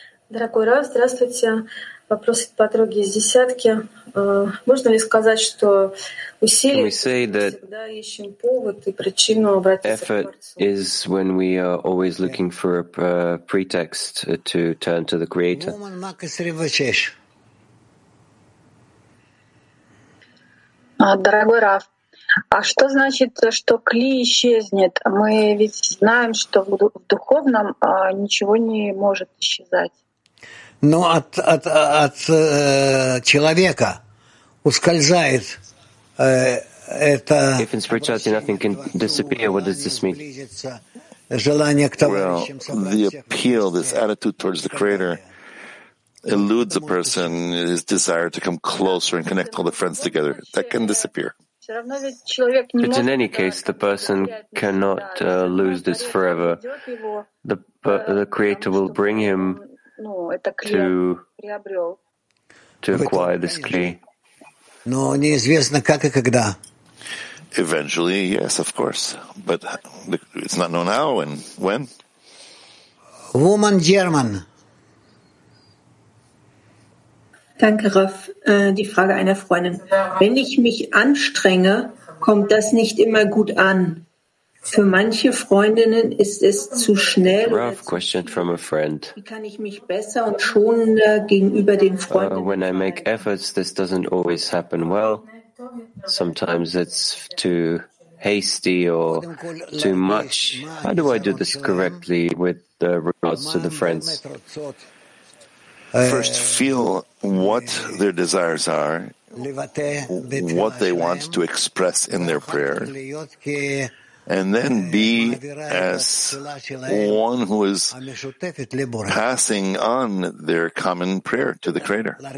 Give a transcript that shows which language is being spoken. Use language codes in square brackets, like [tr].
[ru] Дорогой Рав, здравствуйте. Вопрос от подруги из десятки. Можно ли сказать, что усилия всегда ищем повод и причину обратиться к Творцу? [en] Effort is when we are always looking for a pretext to turn to the Creator. Woman Mark 26. [ru] Дорогой Рав, а что значит, что кли исчезнет? Мы ведь знаем, что в духовном ничего не может исчезать. Но от человека ускользает это. [en] If in spirituality nothing can disappear, what does this mean? [ru] Желание к тому, [en] well, the appeal, this attitude towards the Creator eludes a person, his desire to come closer and connect all the friends together. That can disappear. But in any case, the person cannot lose this forever. The Creator will bring him to acquire this kli. [ru] Но неизвестно как и когда. [en] Eventually, yes, of course. But it's not known how and when. Woman German. [de] Danke, Raff. Die Frage einer Freundin. Wenn ich mich anstrenge, kommt das nicht immer gut an. Für manche Freundinnen ist es zu schnell. [en] Raff, question from a friend. [de] Wie kann ich mich besser und schonender gegenüber den Freunden? [en] When I make efforts, this doesn't always happen well. Sometimes it's too hasty or too much. How do I do this correctly with regards to the friends? First, feel what their desires are, what they want to express in their prayer, and then be as one who is passing on their common prayer to the Creator.